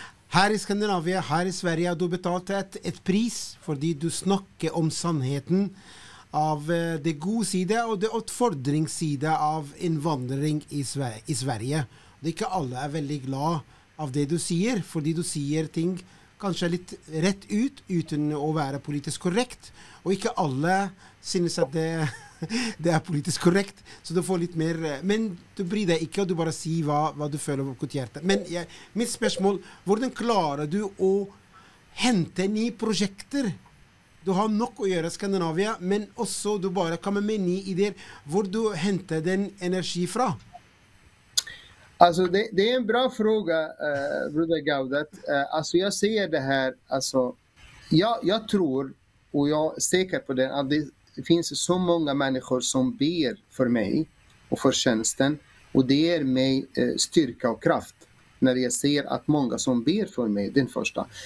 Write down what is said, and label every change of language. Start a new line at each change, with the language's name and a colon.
Swedish: Här i Skandinavien, här i Sverige, du betalat ett pris för att du snackar om sanningen av det goda sida och det utfordringssida av invandring i Sverige. Det är inte alla är väldigt glada av det du säger, för du säger ting kanske lite rätt utan att vara politiskt korrekt. Och inte alla syns att det
Norwegian: det er politisk korrekt, så du får litt mer, men du bryr deg ikke, og du bare sier hva du føler på hjertet. Men jeg, mitt spørsmål, hvordan klarer du å hente nye prosjekter? Du har nok å gjøre i Skandinavia, men også du bare kommer med nye ideer. Hvor du henter den energi fra?
Swedish: Alltså det är en bra fråga, Bruder Gaudet. Alltså jag ser det här, alltså jag tror och jag är säker på det, att det finns så många människor som ber för mig och för tjänsten, och det ger mig styrka och kraft när jag ser att många som ber för mig, den första.